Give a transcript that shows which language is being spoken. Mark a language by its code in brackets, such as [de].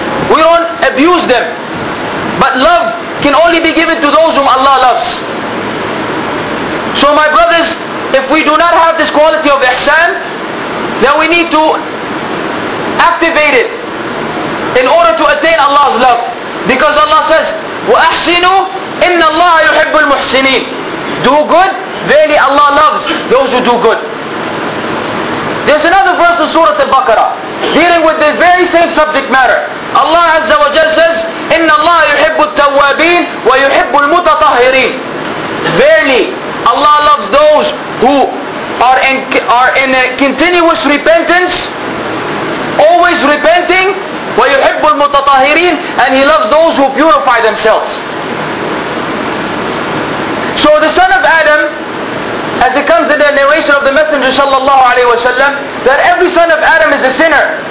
[en] We don't abuse them. But love can only be given to those whom Allah loves. So my brothers, if we do not have this quality of ihsan, then we need to activate it in order to attain Allah's love. Because Allah says, [ar] وَأَحْسِنُوا إِنَّ اللَّهَ يُحِبُّ الْمُحْسِنِينَ. [en] Do good, verily Allah loves those who do good. There's another verse in Surah Al-Baqarah dealing with the very same subject matter. Allah Azza wa Jalla says, [ar] إِنَّ اللَّهَ يُحِبُّ التَّوَّابِينَ وَيُحِبُّ الْمُتَطَهِّرِينَ. [en] Verily, Allah loves those who are in a continuous repentance, always repenting, [ar] وَيُحِبُّ الْمُتَطَهِرِينَ, [en] and He loves those who purify themselves. So the son of Adam, as it comes in the narration of the Messenger sallallahu alayhi wa sallam, that every son of Adam is a sinner.